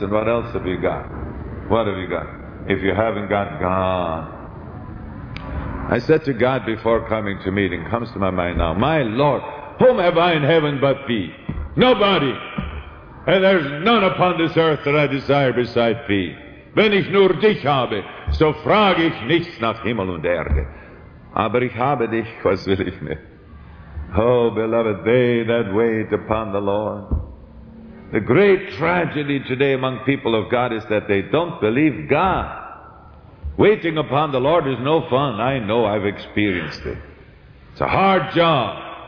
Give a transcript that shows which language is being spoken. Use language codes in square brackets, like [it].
[en] And what else have you got? What have you got? If you haven't got God. I said to God before coming to meeting, comes to my mind now, my Lord, whom have I in heaven but thee? Nobody. And there's none upon this earth that I desire beside thee. [de] Wenn ich nur dich habe, so frage ich nichts nach Himmel und Erde. Aber ich habe dich, was will ich mir? [en] Oh, beloved, they that wait upon the Lord. The great tragedy today among people of God is that they don't believe God. Waiting upon the Lord is no fun. I know, I've experienced it. It's a hard job.